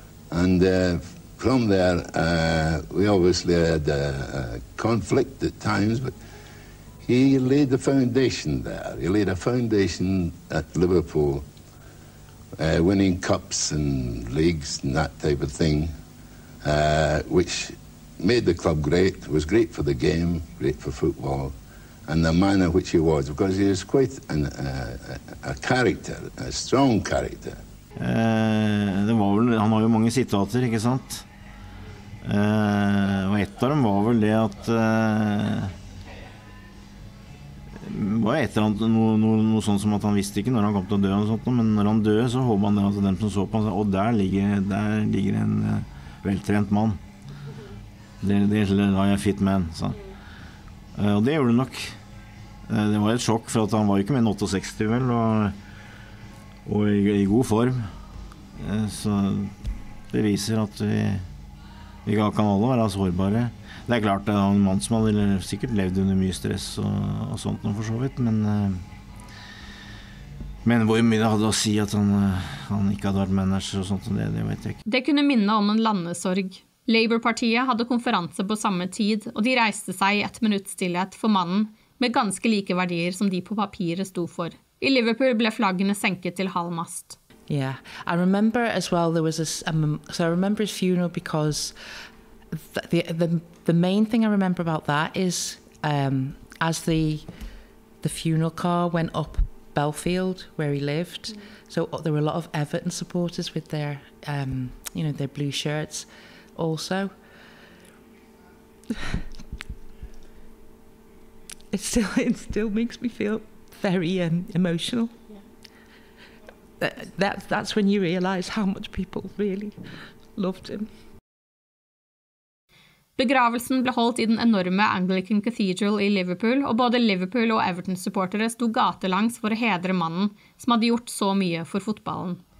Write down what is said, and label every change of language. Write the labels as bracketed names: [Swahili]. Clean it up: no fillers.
[English] And from there, we obviously had a conflict at times, but he laid the foundation there. He laid a foundation at Liverpool, winning cups and leagues and that type of thing, which made the club great, was great for the game, great for football, and the manner which he was, because he was quite a character, a strong character. [Norwegian] Han har jo mange sitater, ikke sant? Og et av dem var vel det at var et eller annet noe sånt som at han visste ikke når han kom til å dø og sånt, men når han døde så håper han det at dem som så på han sa, der ligger en veltrent mann, det er en [English] fit man, [Norwegian] sa. Og det gjorde det nok. Det var et sjokk, for at han var ikke mer enn 68 vel, og i god form, så det viser at vi Vi kan alle være sårbare. Det er klart, det er en mann som hadde sikkert levd under mye stress og sånt noe for så vidt, men hvor mye hadde å si at han ikke hadde vært manager og sånt, det vet jeg ikke. Det kunne minne om en landesorg. Labour-partiet hadde konferanse på samme tid, og de reiste seg i et minutt stillhet for mannen med ganske like verdier som de på papiret sto for. I Liverpool ble flaggene senket til halv mast. [English] Yeah, I remember as well there was so I remember his funeral because the main thing I remember about that is as the funeral car went up Belfield where he lived, so there were a lot of Everton supporters with their you know their blue shirts also. It still makes me feel very emotional. That's when you realize how much people really loved him. [Norwegian] Begravelsen ble holdt i den enorme Anglican Cathedral i Liverpool, og både Liverpool og Everton-supportere sto gatelangs for å hedre mannen som hadde gjort så mye for fotballen.